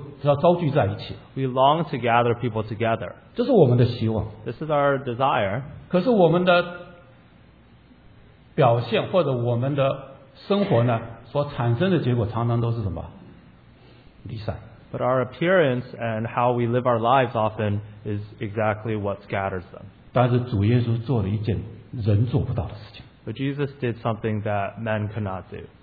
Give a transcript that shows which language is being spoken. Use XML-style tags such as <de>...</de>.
<zh>所以我们希望是把人，我们是能够招聚在一起。</zh> <en>We long to gather people together.</en> <zh>这是我们的希望。</zh> <en>This is our desire.</en> <zh>可是我们的 表现或者我们的生活呢，所产生的结果常常都是什么？离散。</zh> <en>But our appearance and how we live our lives often is exactly what scatters them.</en> <zh>但是主耶稣做了一件人做不到的事情。</zh> <en>But Jesus did something that men could not do.</en>